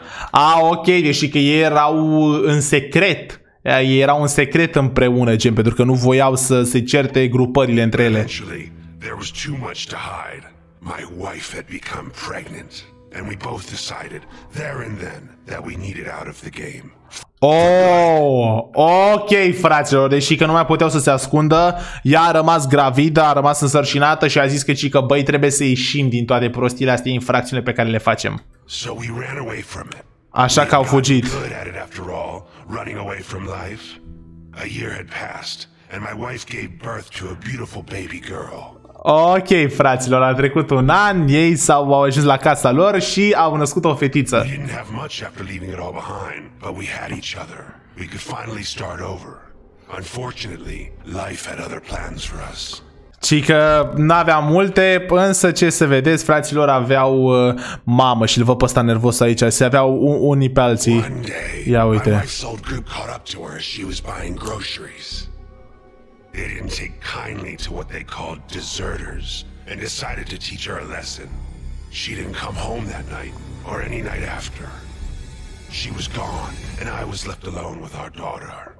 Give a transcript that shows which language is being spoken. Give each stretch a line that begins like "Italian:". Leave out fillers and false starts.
Romanian: A, ok, deși că ei erau în secret. Ei erau în secret împreună, gen, pentru că nu voiau să se certe grupările între ele.
English: There was too much to hide. My wife had become pregnant. And we both decided there and then that we needed out of the game.
Romanian: Oh, ok, fraților, deși că nu mai puteau să se ascundă, ea a rămas gravidă, a rămas însărcinată și a zis că cică, băi, trebuie să ieșim din toate prostiile astea, infracțiunile pe care le facem.
English: So we ran away from it.
Romanian: Așa că au fugit.
English: After all, running away from life. A year had passed and my wife gave birth to a beautiful baby girl.
Romanian: Ok, fraților, a trecut un an, ei s-au ajuns la casa lor și au născut o fetiță.
English: We didn't have much after leaving it all behind, but we had each other. We could finally start over. Unfortunately, life had other plans for us.
Romanian: Cică n-avea multe, însă ce să vedeți, fraților, aveau mamă și-l văd pe ăsta nervos aici, se aveau unii pe alții. Ia uite.
English: My wife's old group caught up to her as she was buying groceries. They didn't take kindly to what they called deserters and decided to teach her a lesson. She didn't come home that night or any night after. She was gone and I was left alone with our daughter.